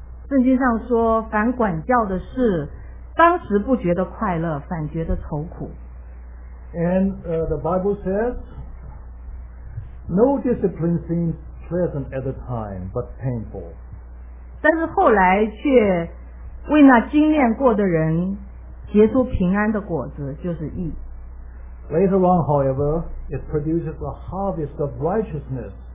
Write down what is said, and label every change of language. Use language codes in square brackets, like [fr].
[zh] 圣经上说，凡管教的事，当时不觉得快乐，反觉得愁苦。 [en] And the Bible says, "No discipline seems pleasant at the time, but painful." [zh] 但是后来却为那经验过的人结出平安的果子，就是义。 [en] Later on, however, it produces a harvest of righteousness.